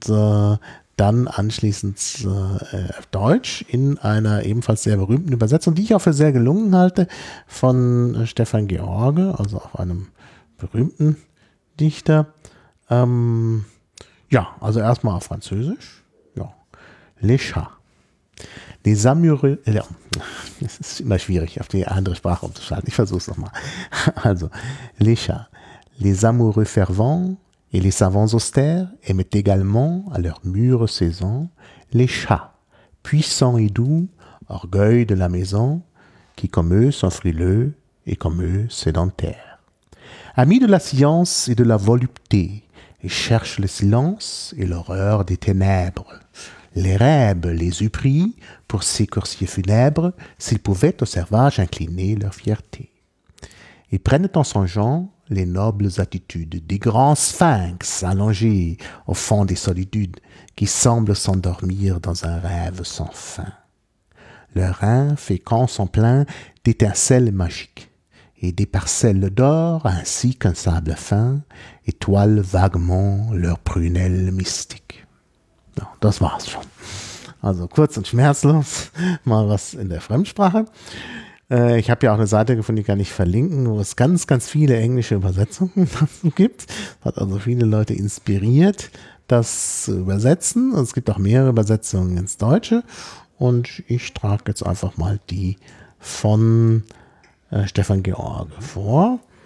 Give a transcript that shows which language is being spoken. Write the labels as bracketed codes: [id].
[de] Und dann anschließend auf Deutsch in einer ebenfalls sehr berühmten Übersetzung, die ich auch für sehr gelungen halte, von Stefan George, also auch einem berühmten Dichter. Ja, also erstmal auf Französisch. Ja. Les Chats. Les Amoureux. Es ist immer schwierig, auf die andere Sprache umzuschalten. Ich versuche es nochmal. Also, Les Chats. [fr] Les Amoureux fervents et les savants austères aiment également à leur mûre saison les chats, puissants et doux, orgueil de la maison, qui comme eux sont frileux et comme eux sédentaires. Amis de la science et de la volupté, ils cherchent le silence et l'horreur des ténèbres. Les rêves les eût pris pour ces coursiers funèbres s'ils pouvaient aux servages incliner leur fierté. Ils prennent en songeant les nobles attitudes des grands sphinx allongés au fond des solitudes qui semblent s'endormir dans un rêve sans fin. Leurs reins féconds sont pleins d'étincelles magiques et des parcelles d'or ainsi qu'un sable fin étoile vaguement leurs prunelles mystiques. [de] Non, das war's schon. Also kurz und schmerzlos, mal was in der Fremdsprache. Ich habe ja auch eine Seite gefunden, die kann ich verlinken, wo es ganz, ganz viele englische Übersetzungen dazu gibt. Hat also viele Leute inspiriert, das zu übersetzen. Es gibt auch mehrere Übersetzungen ins Deutsche. Und ich trage jetzt einfach mal die von Stefan George vor.